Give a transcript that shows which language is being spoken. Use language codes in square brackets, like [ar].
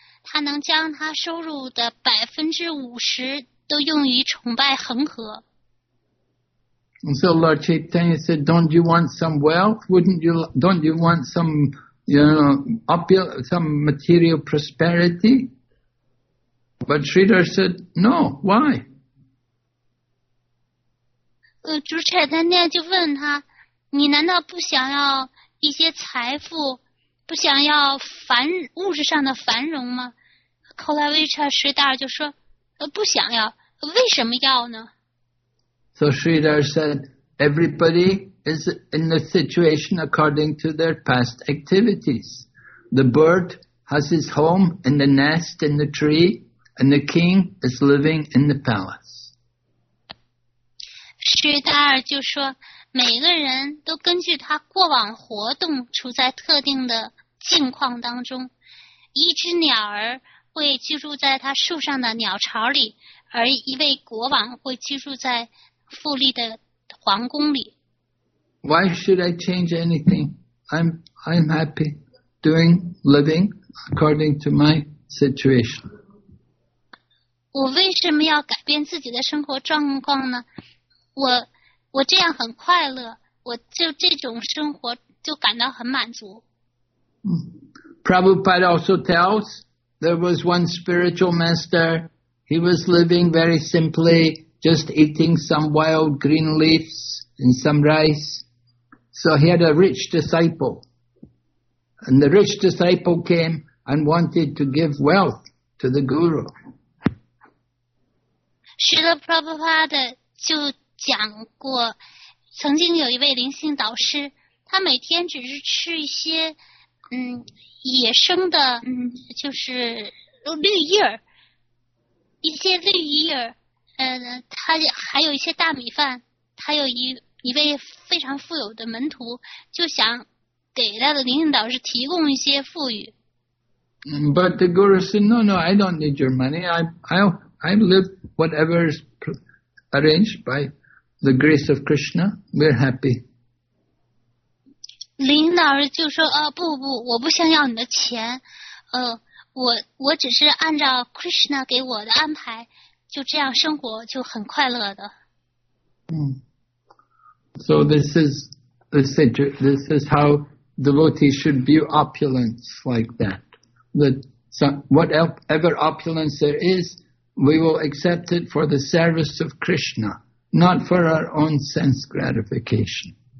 [zh] 他能将他收入的50%都用于崇拜恒河。 [en] And so Lord Chaitanya said, "Don't you want some wealth? Wouldn't you? Don't you want some, you know, some material prosperity?" But Sridhar said, "No. Why?" [zh] 主彻丹尼亚就问他，你难道不想要一些财富，不想要繁物质上的繁荣吗？后来维查·施达尔就说不想要，为什么要呢？ [en] So Sridhar said, everybody is in the situation according to their past activities. The bird has his home in the nest in the tree, and the king is living in the palace. [zh] 施达尔就说每个人都根据他过往活动处在特定的境况当中，一只鸟儿会居住在他树上的鸟巢里，而一位国王会居住在富丽的皇宫里。 [en] Why should I change anything? I'm happy doing living according to my situation. [zh] 我为什么要改变自己的生活状况呢？我这样很快乐，我就这种生活就感到很满足。 [en] Prabhupada also tells. There was one spiritual master, he was living very simply, just eating some wild green leaves and some rice. So he had a rich disciple. And the rich disciple came and wanted to give wealth to the guru. [zh] Srila Prabhupada 就讲过，曾经有一位灵性导师，他每天只是吃一些野生的就是绿叶儿，一些绿叶儿，他还有一些大米饭，他有一位非常富有的门徒，就想给他的灵性导师提供一些富裕。 [en] But the guru said, "No, no, I don't need your money. I live whatever is arranged by the grace of Krishna. We're happy." [zh] 领导人就说啊，不不，我不想要你的钱，我只是按照 Krishna 给我的安排，就这样生活就很快乐的。 [en] So this is how devotees should view opulence like that. That whatever opulence there is, we will accept it for the service of Krishna, not for our own sense gratification.